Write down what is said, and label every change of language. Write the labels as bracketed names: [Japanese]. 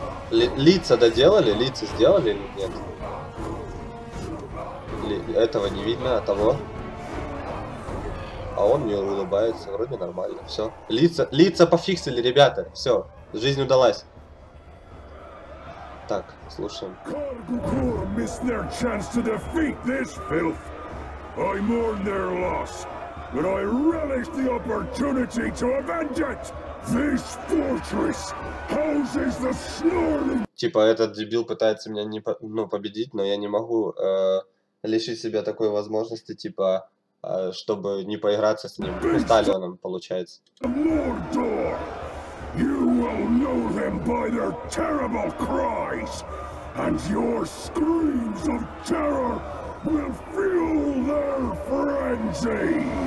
[Russian] Лица доделали? Лица сделали или нет? Этого не видно, а того? А он не улыбается, вроде нормально, все. Лица пофиксили, ребята, все, жизнь удалась. Так, слушаем. [English] Каргукур missed their chance to defeat this filth. I mourn their loss, but I relish the opportunity to avenge it. This fortress houses the snoring. [Russian] Типа этот дебил пытается меня не по, ну, победить, но я не могу лишить себя такой возможности, типа, чтобы не поиграться с ним. Сталионом, получается. Mordor. You will know them by their terrible cries, and your screams of terror will fuel their frenzy.